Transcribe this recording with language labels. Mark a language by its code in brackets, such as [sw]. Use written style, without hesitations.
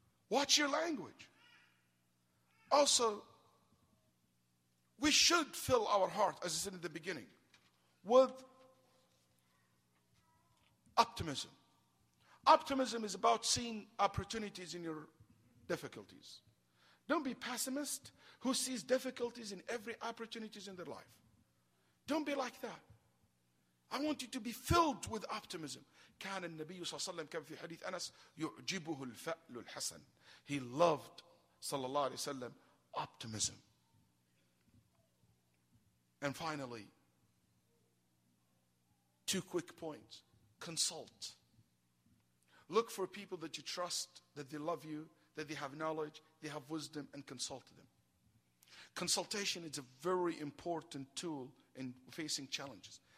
[en] Watch your language. Also, we should fill our heart, as I said in the beginning, with optimism. Optimism is about seeing opportunities in your difficulties. Don't be pessimist who sees difficulties in every opportunities in their life. Don't be like that. I want you to be filled with optimism. [ar] كان النبي صلى الله عليه وسلم كان في حديث أنس يعجبه الفأل الحسن. [en] He loved, [ar] صلى الله عليه وسلم, [en] optimism. And finally, two quick points. Consult. Look for people that you trust, that they love you, that they have knowledge, they have wisdom, and consult them. Consultation is a very important tool in facing challenges.